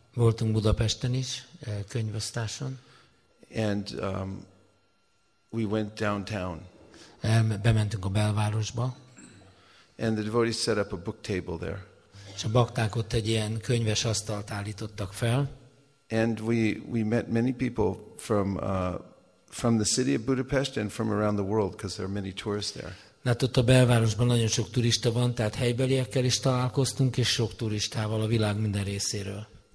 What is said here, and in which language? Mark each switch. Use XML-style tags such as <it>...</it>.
<hu>Voltunk Budapesten is, könyvosztáson.</hu> <en>And we went downtown.</en> <hu>Bementünk a belvárosba.</hu> <en>And the devotees set up a book table there.</en> <hu>És a bakták ott egy ilyen könyves asztalt állítottak fel.</hu> <en>And we met many people from the city of Budapest and from around the world because there are many tourists there.</en> <hu>Hát ott a belvárosban nagyon sok turista van, tehát helybeliekkel is találkoztunk és sok turistával a világ minden részéről.</hu>